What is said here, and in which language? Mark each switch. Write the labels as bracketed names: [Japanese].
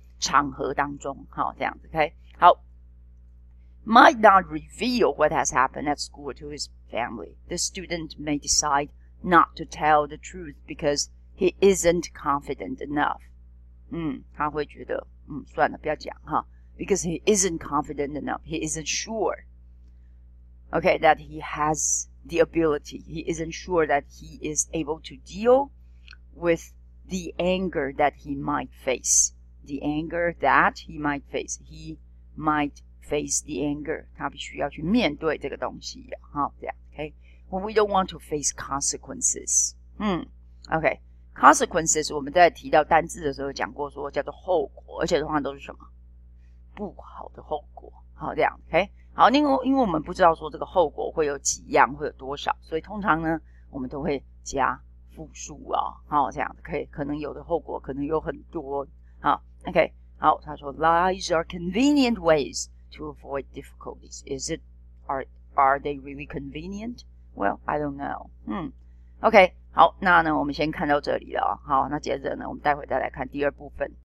[Chinese] 场合当中，好，这样子 ，OK， 好。 [English] Might not reveal what has happened at school to his family. The student may decide not to tell the truth because he isn't confident enough. [Chinese] 他会觉得，算了，不要讲哈。 [English] Because he isn't confident enough, he isn't sure. OK, that he has the ability. He isn't sure that he is able to deal with the anger that he might face. The anger that he might face. He might face the anger. [Chinese] 他必须要去面对这个东西。好，这样 [English] ,okay? When we don't want to face consequences. [Chinese] Okay. Consequences, 我们在提到单字的时候讲过说叫做后果，而且通常都是什么？不好的后果。好，这样 ,okay? 好，因为我们不知道说这个后果会有几样，会有多少，所以通常呢，我们都会加复数啊。好，这样 ,okay? 可能有的后果可能有很多。好 ,OK, 好，他说 [English] ,lies are convenient ways to avoid difficulties. Is it, are they really convenient? Well, I don't know. OK, [Chinese] 好，那呢，我们先看到这里了。好，那接着呢，我们待会再来看第二部分。